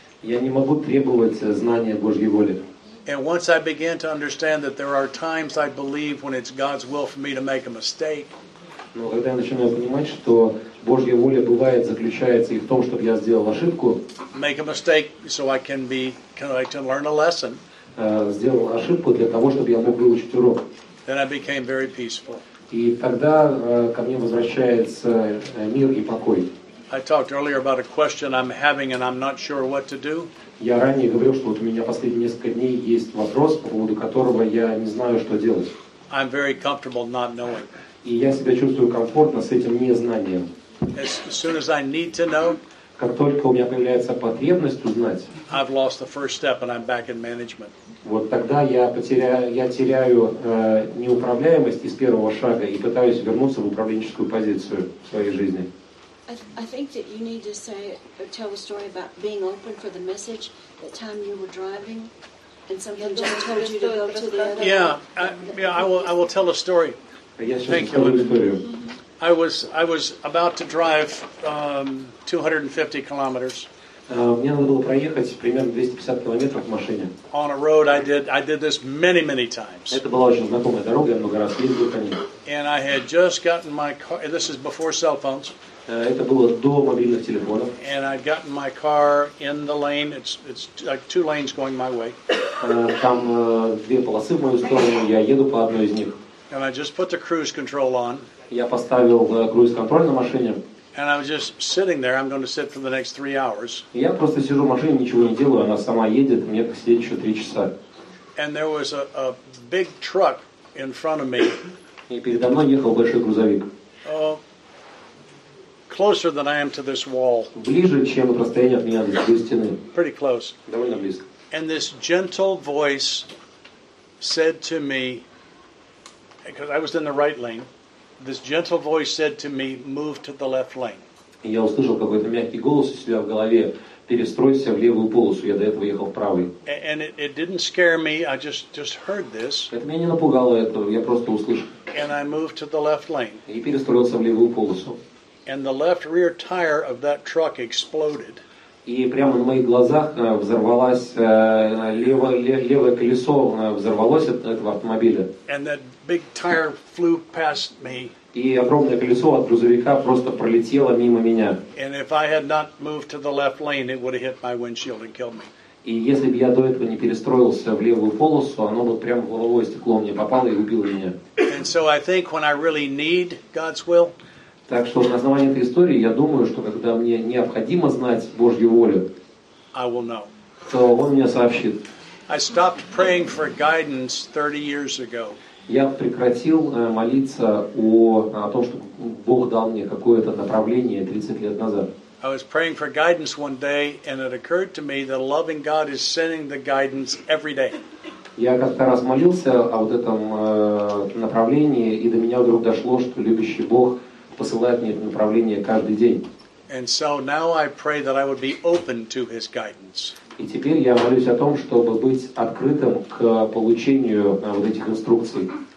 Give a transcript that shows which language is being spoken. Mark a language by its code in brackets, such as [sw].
[ru] Я не могу требовать знания Божьей воли. [en] And once I began to understand that there are times I believe when it's God's will for me to make a mistake. [ru] Но когда я начинаю понимать, что Божья воля бывает заключается и в том, чтобы я сделал ошибку. [en] Make a mistake so I can be, I can learn a lesson. [ru] Сделал ошибку для того, чтобы я мог выучить урок. [en] Then I became very peaceful. [ru] И тогда ко мне возвращается мир и покой. [en] I talked earlier about a question I'm having and I'm not sure what to do. [ru] Я ранее говорил, что вот у меня последние несколько дней есть вопрос, по поводу которого я не знаю, что делать. [en] I'm very comfortable not knowing. [ru] И я себя чувствую комфортно с этим незнанием. [en] As soon as I need to know, [ru] как только у меня появляется потребность узнать, [en] I've lost the first step and I'm back in management. [ru] Вот тогда я теряю неуправляемость из первого шага и пытаюсь вернуться в управленческую позицию в своей жизни. [en] I think that you need to say or tell a story about being open for the message the time you were driving and someone just told you to go to the other. I will tell a story. Thank you. I was about to drive 250 kilometers. [ru] Мне надо было проехать примерно 250 километров в машине. [en] On a road I did this many, many times. [ru] Это была очень знакомая дорога, я много раз ездил по ней. [en] And I had just gotten my car, this is before cell phones. [ru] Это было до мобильных телефонов. [en] And I'd gotten my car in the lane, it's like two lanes going my way. [ru] Там две полосы в мою сторону, я еду по одной из них. [en] And I just put the cruise control on. [ru] Я поставил круиз-контроль на машине. [en] And I was just sitting there. I'm going to sit for the next 3 hours. [ru] Я просто сижу в машине, ничего не делаю. Она сама едет. Мне так сидеть еще 3 часа. [en] And there was a big truck in front of me. [ru] И передо мной ехал большой грузовик. [en] Closer than I am to this wall. [ru] Ближе, чем расстояние от меня до стены. [en] Pretty close. [ru] Довольно близко. [en] And this gentle voice said to me, because I was in the right lane. This gentle voice said to me, "Move to the left lane." [ru] Я услышал какой-то мягкий голос у себя в голове. Перестройся в левую полосу. Я до этого ехал в правый. [en] And it didn't scare me. I just heard this. [ru] Это меня не напугало. Это я просто услышал. [en] And I moved to the left lane. [ru] И перестроился в левую полосу. [en] And the left rear tire of that truck exploded. [ru] И прямо на моих глазах левое колесо взорвалось от этого автомобиля. [en] And that big tire flew past me. [ru] И огромное колесо от грузовика просто пролетело мимо меня. [en] And if I had not moved to the left lane, it would have hit my windshield and killed me. [ru] И если бы я до этого не перестроился в левую полосу, оно бы прямо в лобовое стекло мне попало и убило меня. [en] And so I think when I really need God's will. [ru] Так что на основании этой истории я думаю, что когда мне необходимо знать Божью волю, [en] I will know. [ru] То Он мне сообщит. [en] I stopped praying for guidance 30 years ago. [ru] Я прекратил молиться о том, чтобы Бог дал мне какое-то направление 30 лет назад. [en] I was praying for guidance one day, and it occurred to me that a loving God is sending the guidance every day. [ru] Я как-то раз молился о вот этом направлении, и до меня вдруг дошло, что любящий Бог посылает мне это направление каждый день. И теперь я молюсь о том, чтобы быть открытым к получению вот этих инструкций.